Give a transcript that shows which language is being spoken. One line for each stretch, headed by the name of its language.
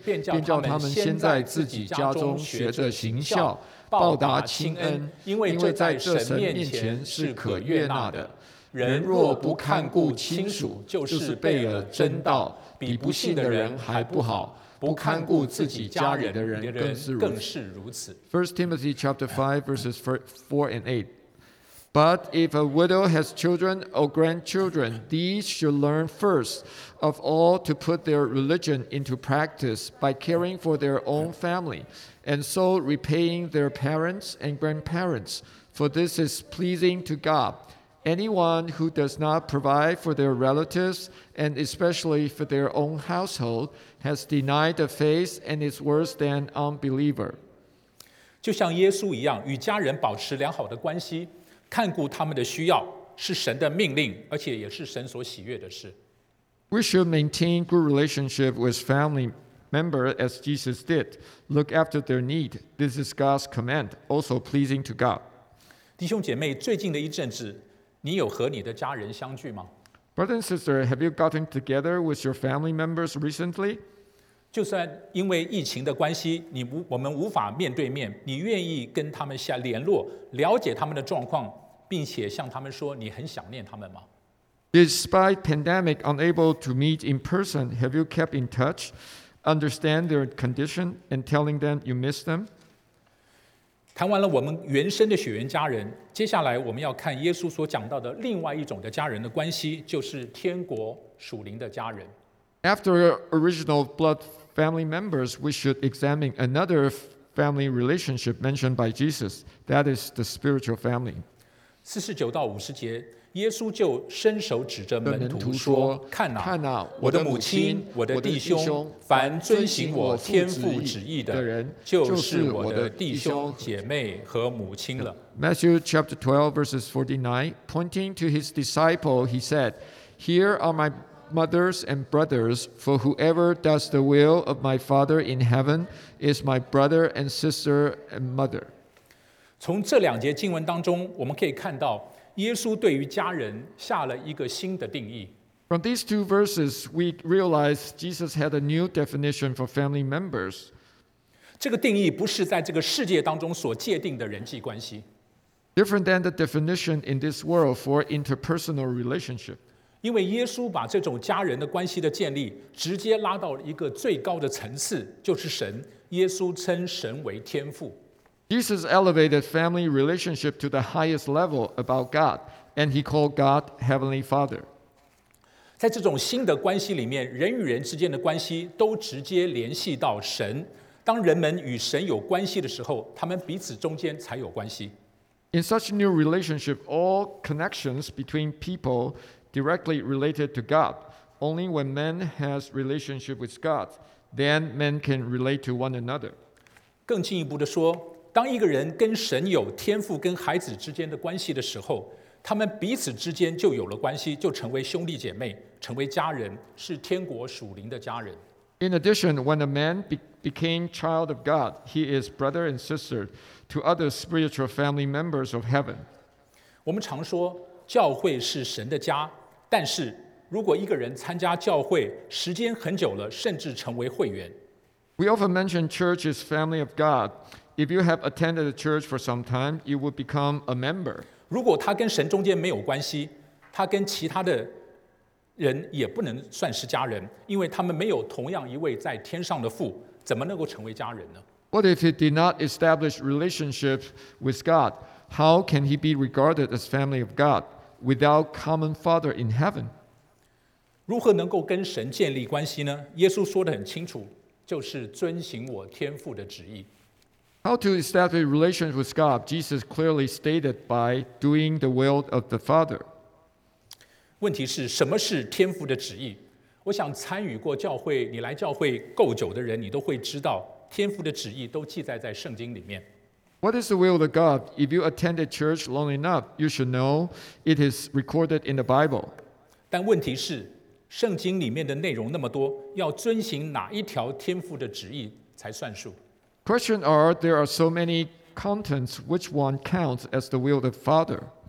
Chinese: 便叫他们先在自己家中学着行孝，报答亲恩，因为这在神面前是可悦纳的。” 人若不看顾亲属，就是背了真道，比不信的人还不好。不看顾自己家里的人，更是如此。
English: First Timothy chapter 5 verses 4 and 8. But if a widow has children or grandchildren, these should learn first of all to put their religion into practice by caring for their own family, and so repaying their parents and grandparents. For this is pleasing to God. Anyone who does not provide for their relatives and especially for their own household has denied the faith and is worse than unbeliever.
Chinese: 就像耶稣一样，与家人保持良好的关系，看顾他们的需要，是神的命令，而且也是神所喜悦的事。
English: We should maintain good relationship with family members as Jesus did. Look after their need. This is God's command, also pleasing to God.
Chinese: 弟兄姐妹，最近的一阵子。你有和你的家人相聚吗
English: ？Brother and sister, have you gotten together with your family members recently?
Chinese: 就算因为疫情的关系，我们无法面对面，你愿意跟他们下联络，了解他们的状况，并且向他们说你很想念他们吗
English: ？Despite pandemic, unable to meet in person, have you kept in touch, understand their condition, and telling them you miss them?
Chinese: 谈完了我们原生的血缘家人，接下来我们要看耶稣所讲到的另外一种的家人的关系，就是天国属灵的家人。
English: After original blood family members, we should examine another family relationship mentioned by Jesus. That is the spiritual family.
Chinese: 49-50节，耶稣就伸手指着门徒说：“看哪，看哪，我的母亲，我的弟兄，凡遵行我天父旨意的人，就是我的弟兄姐妹和母亲了。”
English: Matthew chapter 12 verses 49, pointing to his disciple, he said, "Here are my mothers and brothers, for whoever does the will of my Father in heaven is my brother and sister and mother."
Chinese: 从这两节经文当中，我们可以看到耶稣对于家人下了一个新的定义。
English: From these two verses, we realize Jesus had a new definition for family members.
Chinese: 这个定义不是在这个世界当中所界定的人际关系。
English: Different than the definition in this world for interpersonal relationship.
Chinese: 因为耶稣把这种家人的关系的建立直接拉到一个最高的层次，就是神。耶稣称神为天父。
English: Jesus elevated family relationship to the highest level about God, and he called God Heavenly Father.
Chinese: 在这种新的关系里面，人与人之间的关系都直接联系到神。当人们与神有关系的时候，他们彼此中间才有关系。
English: In such new relationship, all connections between people. Directly related to God. Only when man has relationship with God, then man can relate to one another.
Chinese: 更进一步的说，当一个人跟神有天父跟孩子之间的关系的时候，他们彼此之间就有了关系，就成为兄弟姐妹，成为家人，是天国属灵的家人。
English: In addition, when a man became child of God, he is brother and sister to other spiritual family members of heaven.
Chinese: 我们常说教会是神的家，但是如果一个人参加教会时间很久了，甚至成为会员。
English: We often mention church is family of God. If you have attended a church for some time, you would become a member.
Chinese: 如果他跟神中间没有关系，他跟其他的人也不能算是家人，因为他们没有同样一位在天上的父，怎么能够成为家人呢？
English: What if he did not establish relationships with God? How can he be regarded as family of God without common father in heaven?
Chinese: 如何能够跟神建立关系呢？耶稣说得很清楚，就是遵行我天父的旨意。
English: How to establish relations with God? Jesus clearly stated by doing the will of the Father.
Chinese: 问题是什么是天父的旨意？我想参与过教会，你来教会够久的人，你都会知道天父的旨意都记载在圣经里面。
English: What is the will of God? If you attended church long enough, you should know it is recorded in the Bible.
Chinese: 但问题是，圣经里面的内容那么多，要遵行哪一条天父的旨意才算数？
English: Question are, there are so many contents, which one counts as the will of the Father?